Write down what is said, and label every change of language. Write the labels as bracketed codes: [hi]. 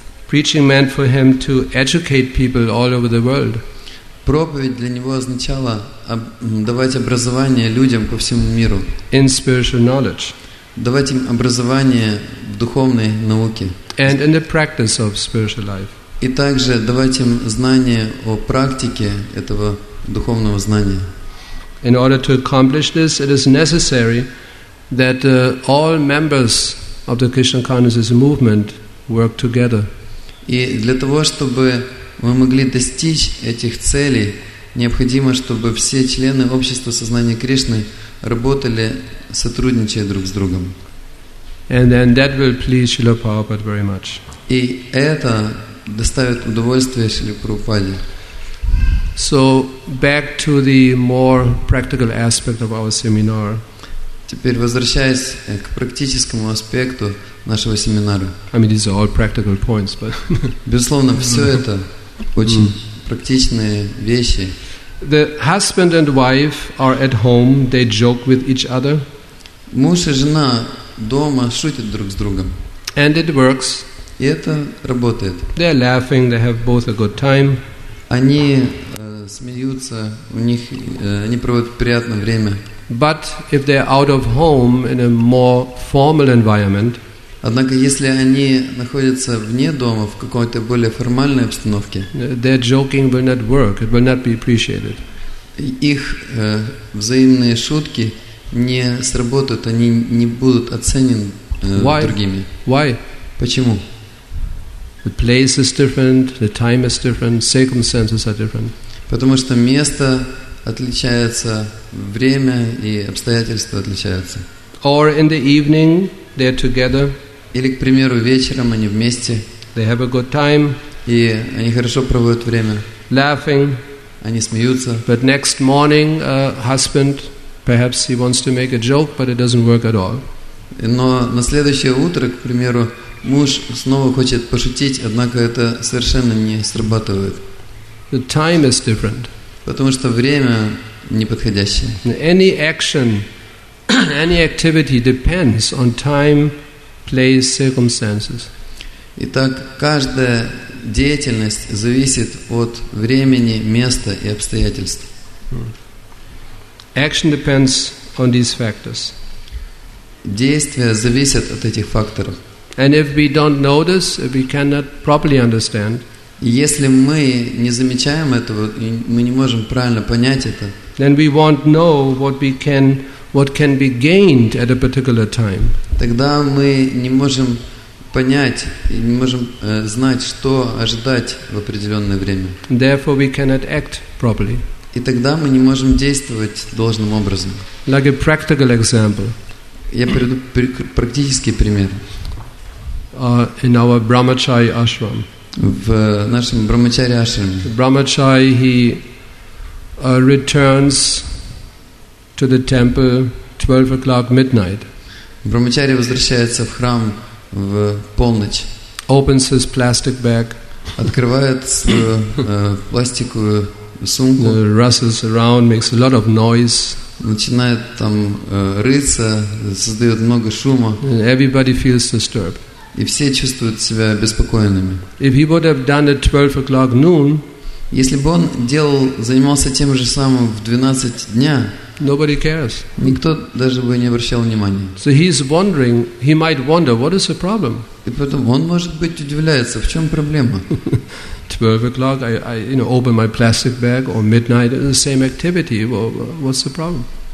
[en] Preaching meant for him to educate people all over the world. [ru] Проповедь для него означала давать образование людям по всему миру. [en] In spiritual knowledge. [ru] Давать им образование в духовной науке. [en] And in the practice of spiritual life. [ru] И также давать им знания о практике этого духовного знания. [en] In order to accomplish this, it is necessary that all members of the Krishna consciousness movement work together. [ru] И для того, чтобы мы могли достичь этих целей, необходимо, чтобы все члены общества сознания Кришны работали, сотрудничая друг с другом. [en] And then that will please Srila Prabhupada very much. [ru] И это доставит удовольствие Шриле Прабхупаде. [en] So back to the more practical aspect of our seminar. [ru] Теперь возвращаясь к практическому аспекту нашего семинара. [en] I mean, these are all practical points, but [ru] безусловно, все это очень практичные вещи. [en] The husband and wife are at home, they joke with each other. [ru] Муж и жена дома шутят друг с другом. [en] And it works. [ru] И это работает. [en] They're laughing, they have both a good time. [ru] Они смеются, у них они проводят приятное время. [en] But if they're out of home in a more formal environment, [ru] однако если они находятся вне дома в какой-то более формальной обстановке, [en] their joking will not work, it will not be appreciated. [ru] Их взаимные шутки не сработают, они не будут оценены [en] Why? [ru] Другими. [en] Why? [ru] Почему? [en] The place is different, the time is different, circumstances are different. [ru] Потому что место отличается, время и обстоятельства отличаются. [en] Or in the evening they're together. [ru] Или, к примеру, вечером они вместе. [en] They have a good time. [ru] И они хорошо проводят время. [en] Laughing. [ru] Они смеются. [en] But next morning, a husband, perhaps he wants to make a joke, but it doesn't work at all. [ru] Но на следующее утро, к примеру, муж снова хочет пошутить, однако это совершенно не срабатывает. [en] The time is different. [ru] Потому что время неподходящее. [en] Any action, any activity depends on time, place, circumstances. [ru] Итак, каждая деятельность зависит от времени, места и обстоятельств. [en] Action depends on these factors. [ru] Действия зависят от этих факторов. [en] And if we don't notice, if we cannot properly understand, [ru] если мы не замечаем этого, мы не можем правильно понять это. [en] Then we won't know what can be gained at a particular time. [ru] Тогда мы не можем понять, не можем знать, что ожидать в определенное время. [en] Therefore, we cannot act properly. [ru] И тогда мы не можем действовать должным образом. [en] Like a practical example. [ru] Я приведу практический пример. [en] In our Brahmachari ashram. [ru] В нашем брахмачари ашраме. [en] Brahmachari, he returns to the temple 12 o'clock midnight. [ru] Брахмачари возвращается в храм в полночь. [en] Opens his plastic bag. [ru] Открывает пластиковую сумку. [en] Rustles around, makes a lot of noise. [ru] Начинает там рыться, создает много шума. [en] And everybody feels disturbed. [ru] И все чувствуют себя беспокоенными. [en] If he would have done it 12 o'clock noon, [ru] если бы он делал, занимался тем же самым в 12 дня, [en] nobody cares. [ru] Никто даже бы не обращал внимания. [en] So he's wondering, he might wonder, what is the problem? [ru] И потом он, может быть, удивляется, в чем проблема? [en] 12 o'clock, I open my plastic bag, or midnight, the same activity, what's the problem?